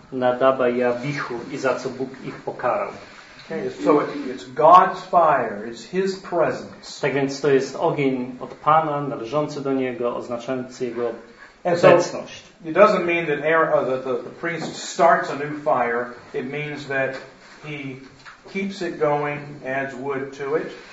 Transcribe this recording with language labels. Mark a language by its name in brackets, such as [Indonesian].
[Polish] Nadaba i Abihu i za co Bóg ich pokarał. [English] Okay, so it's God's fire, it's His presence. [Polish] Tak więc to jest ogień od Pana, należący do Niego, oznaczający Jego obecność. [English] It doesn't mean that the priest starts a new fire. It means that he keeps it going, adds wood to it.